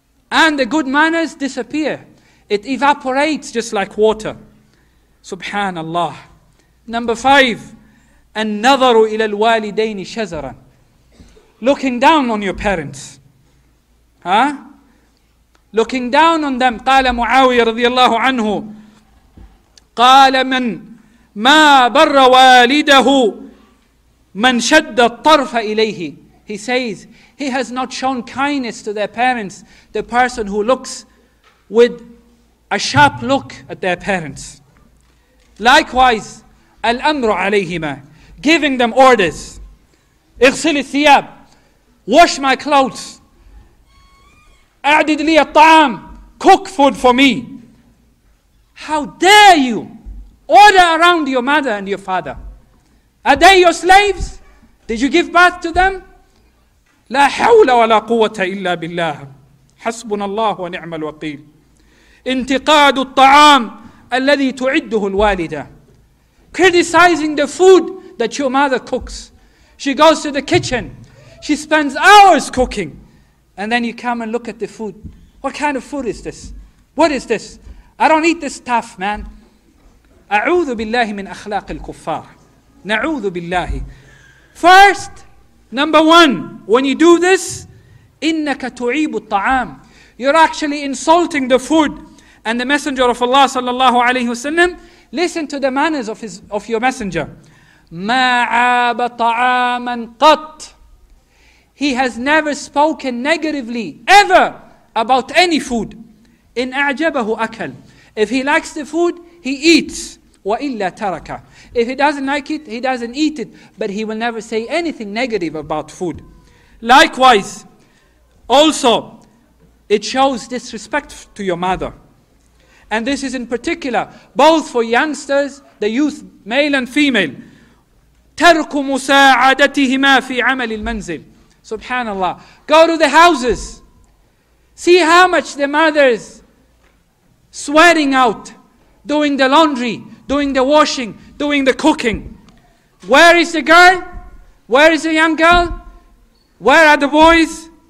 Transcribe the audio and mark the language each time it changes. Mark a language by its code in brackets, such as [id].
[en] And the good manners disappear. It evaporates just like water. [ar] Subhanallah. [en] Number five. [ar] النَّظَرُ إِلَى الْوَالِدَيْنِ شَزَرًا. [en] Looking down on your parents. Huh? Looking down on them. [ar] قال معاوية رضي الله عنه قال من ما بر والده من شد الطرف إليه. [en] He says, he has not shown kindness to their parents, the person who looks with a sharp look at their parents. Likewise, [ar] الأمر عليهما, [en] giving them orders. [ar] اغسل الثياب, [en] wash my clothes. [ar] أعدد لي الطعام, [en] cook food for me. How dare you order around your mother and your father? Are they your slaves? Did you give birth to them? [ar] لا حول ولا قوة إلا بالله حسبنا الله ونعم الوكيل. انتقاد الطعام الذي تعده الوالدة. [en] Criticizing the food that your mother cooks. She goes to the kitchen. She spends hours cooking. And then you come and look at the food. What kind of food is this? What is this? I don't eat this stuff, man. [ar] أعوذ بالله من أخلاق الكفار. نعوذ بالله. [en] First, number one, when you do this, [ar] إنك تعيب الطعام. [en] You're actually insulting the food. And the Messenger of Allah [ar] صلى الله عليه وسلم, [en] listen to the manners of your Messenger. [ar] ما عاب طعاما قط. [en] He has never spoken negatively ever about any food. [ar] إن أعجبه أكل. [en] If he likes the food, he eats. [ar] وإلا ترك. [en] If he doesn't like it, he doesn't eat it. But he will never say anything negative about food. Likewise, also, it shows disrespect to your mother. And this is in particular, both for youngsters, the youth, male and female. [ar] ترك مساعدتهما في عمل المنزل. [en] Subhanallah. Go to the houses. See how much the mothers sweating out, doing the laundry, doing the washing, doing the cooking. Where is the girl? Where is the young girl? Where are the boys?